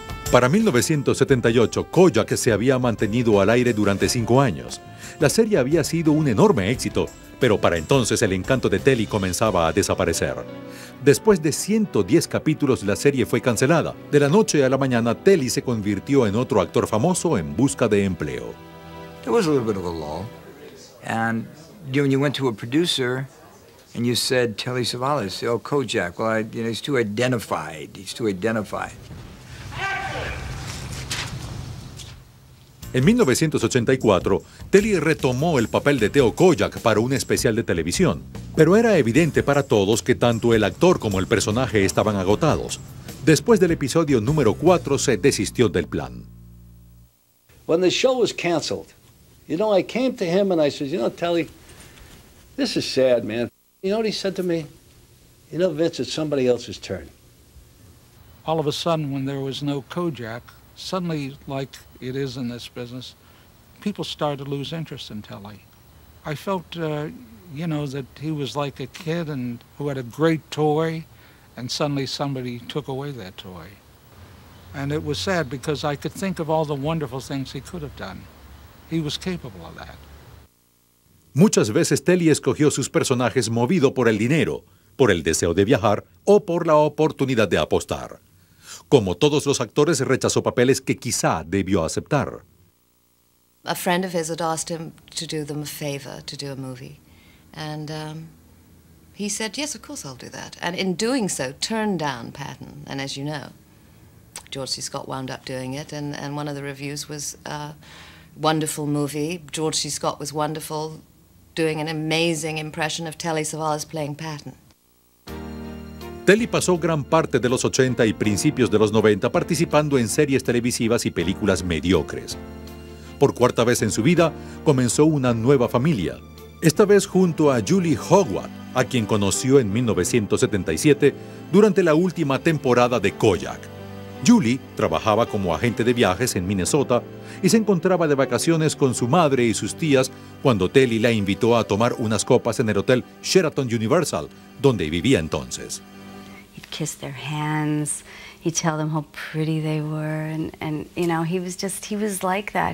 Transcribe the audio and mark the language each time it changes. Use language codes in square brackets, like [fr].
[es] Para 1978, Koyak se había mantenido al aire durante 5 años. La serie había sido un enorme éxito, pero para entonces el encanto de Telly comenzaba a desaparecer. Después de 110 capítulos, la serie fue cancelada. De la noche a la mañana, Telly se convirtió en otro actor famoso en busca de empleo. [en] There was a little bit of a lull. And when you went to a producer and you said, Telly Savalas, oh, Koyak, well, he's too identified. He's too identified. [es] En 1984, Telly retomó el papel de Theo Koyak para un especial de televisión. Pero era evidente para todos que tanto el actor como el personaje estaban agotados. Después del episodio número 4, se desistió del plan. [en] When the show was canceled, you know, I came to him and I said, you know, Telly, this is sad, man. You know what he said to me? You know, Vince, it's somebody else's turn. All of a sudden, when there was no Koyak, suddenly, like it is in this business, people started to lose interest in Telly. I felt, you know, that he was like a kid and who had a great toy, and suddenly somebody took away that toy. And it was sad because I could think of all the wonderful things he could have done. He was capable of that. [es] Muchas veces Telly escogió sus personajes movido por el dinero, por el deseo de viajar o por la oportunidad de apostar. Como todos los actores, rechazó papeles que quizá debió aceptar. [en] A friend of his had asked him to do them a favor, to do a movie. And he said, yes, of course I'll do that. And in doing so, turned down Patton. And as you know, George C. Scott wound up doing it. And one of the reviews was a wonderful movie. George C. Scott was wonderful, doing an amazing impression of Telly Savalas playing Patton. [es] Telly pasó gran parte de los 80 y principios de los 90 participando en series televisivas y películas mediocres. Por cuarta vez en su vida, comenzó una nueva familia. Esta vez junto a Julie Howard, a quien conoció en 1977 durante la última temporada de Koyak. Julie trabajaba como agente de viajes en Minnesota y se encontraba de vacaciones con su madre y sus tías cuando Telly la invitó a tomar unas copas en el hotel Sheraton Universal, donde vivía entonces. [en] He'd kiss their hands, he'd tell them how pretty they were, and you know, he was like that.